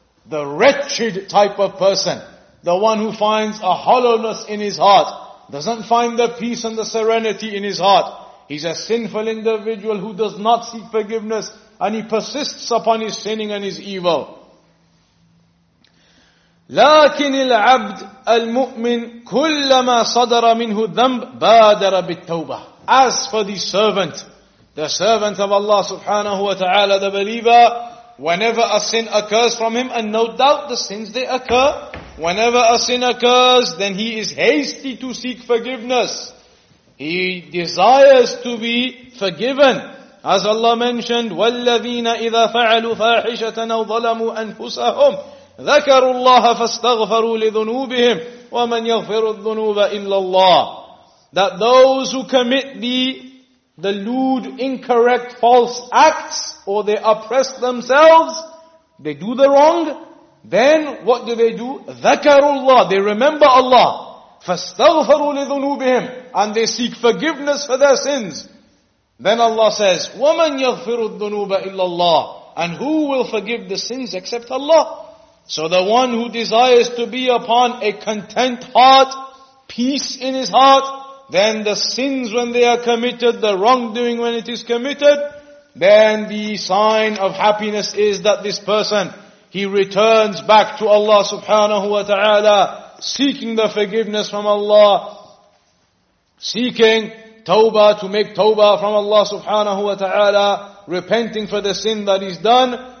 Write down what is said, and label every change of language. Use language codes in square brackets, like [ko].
[en] The wretched type of person. The one who finds a hollowness in his heart. Doesn't find the peace and the serenity in his heart. He's a sinful individual who does not seek forgiveness. And he persists upon his sinning and his evil. [ar] لكن العبد المؤمن كلما صدر منه ذنب بادر بالتوبة. [en] As for the servant of Allah subhanahu wa ta'ala, the believer, whenever a sin occurs from him, and no doubt the sins they occur, whenever a sin occurs, then he is hasty to seek forgiveness. He desires to be forgiven. As Allah mentioned, [ar] وَالَّذِينَ إِذَا فَعَلُوا فَاحِشَةً أَوْ ظَلَمُوا أَنْفُسَهُمْ ذَكَرُوا اللَّهَ فَاسْتَغْفَرُوا لِذُنُوبِهِمْ وَمَنْ يَغْفِرُ الذُّنُوبَ إِلَّا اللَّهِ. [en] That those who commit the lewd, incorrect, false acts, or they oppress themselves, they do the wrong, then what do? [ar] ذَكَرُوا اللَّهَ. [en] They remember Allah. [ar] فَاسْتَغْفَرُوا لِذُنُوبِهِمْ. [en] And they seek forgiveness for their sins. Then Allah says, [ar] وَمَنْ يَغْفِرُ الذُّنُوبَ إِلَّا اللَّهِ. [en] And who will forgive the sins except Allah? So the one who desires to be upon a content heart, peace in his heart, then the sins when they are committed, the wrongdoing when it is committed, then the sign of happiness is that this person, he returns back to Allah subhanahu wa ta'ala, seeking the forgiveness from Allah, seeking tawbah, to make tawbah from Allah subhanahu wa ta'ala, repenting for the sin that is done.